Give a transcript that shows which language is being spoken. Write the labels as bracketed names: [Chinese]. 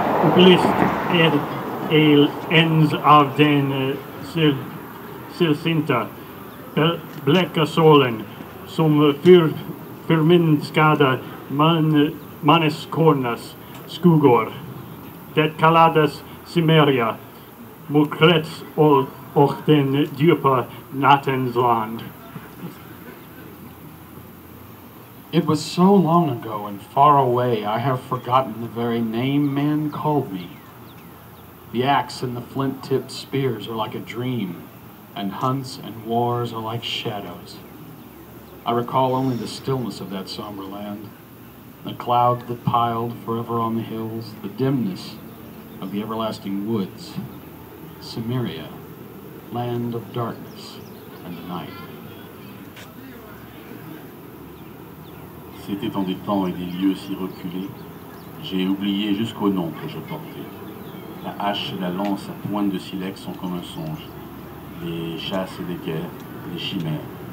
[Swedish] Upplyst är ens av den sällsynta bleka solen som förminskade manneskornas skogar. Det kallades Cimmeria, mörkret och den djupa nattens land. [English] It was so long ago and far away, I have forgotten the very name man called me. The axe and the flint-tipped spears are like a dream, and hunts and wars are like shadows. I recall only the stillness of that somber land, the clouds that piled forever on the hills, the dimness of the everlasting woods, Cimmeria, land of darkness and the night. [French] C'était en des temps et des lieux si reculés, j'ai oublié jusqu'au nom que je portais. La hache et la lance à pointe de silex sont comme un songe, les chasses et les guerres, les chimères.